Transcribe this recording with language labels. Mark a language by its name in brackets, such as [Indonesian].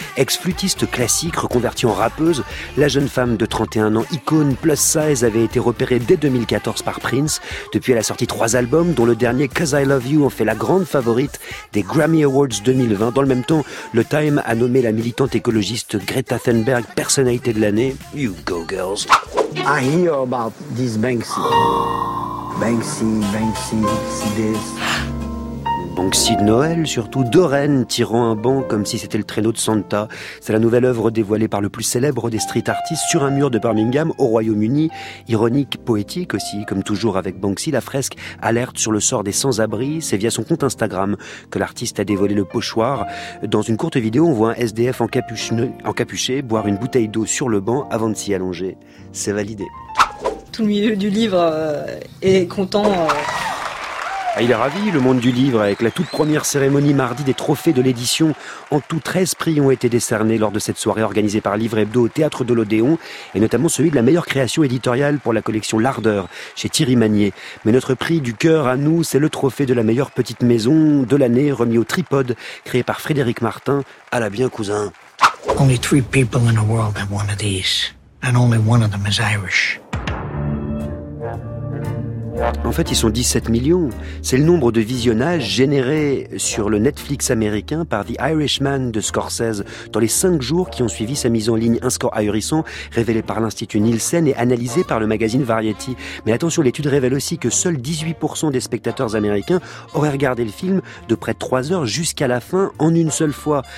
[French] Ex-flûtiste classique reconvertie en rappeuse, la jeune femme de 31 ans, icône plus size, avait été repérée dès 2014 par Prince. Depuis, elle a sorti 3 albums, dont le dernier 'Cause I Love You en fait la grande favorite des Grammy Awards 2020. Dans le même temps, le Time a nommé la militante écologiste Greta Thunberg personnalité de l'année. [English] You go, girls. I hear about this Banksy. [French] Banksy de Noël, surtout deux rennes tirant un banc comme si c'était le traîneau de Santa. C'est la nouvelle œuvre dévoilée par le plus célèbre des street artistes sur un mur de Birmingham au Royaume-Uni. Ironique, poétique aussi, comme toujours avec Banksy, la fresque alerte sur le sort des sans-abri. C'est via son compte Instagram que l'artiste a dévoilé le pochoir. Dans une courte vidéo, on voit un SDF encapuché boire une bouteille d'eau sur le banc avant de s'y allonger. C'est validé. Tout le milieu du livre est content. Il est ravi, le monde du livre, avec la toute première cérémonie mardi des trophées de l'édition. En tout, 13 prix ont été décernés lors de cette soirée organisée par Livre Hebdo au Théâtre de l'Odéon, et notamment celui de la meilleure création éditoriale pour la collection L'Ardeur, chez Thierry Magnier. Mais notre prix du cœur à nous, c'est le trophée de la meilleure petite maison de l'année, remis au Tripode, créé par Frédéric Martin. À la bien, cousin. [English] Only 3 people in the world have one of these, and only one of them is Irish. [French] En fait, ils sont 17 millions. C'est le nombre de visionnages générés sur le Netflix américain par The Irishman de Scorsese dans les 5 jours qui ont suivi sa mise en ligne. Un score ahurissant révélé par l'Institut Nielsen et analysé par le magazine Variety. Mais attention, l'étude révèle aussi que seuls 18% des spectateurs américains auraient regardé le film de près de 3 heures jusqu'à la fin en une seule fois.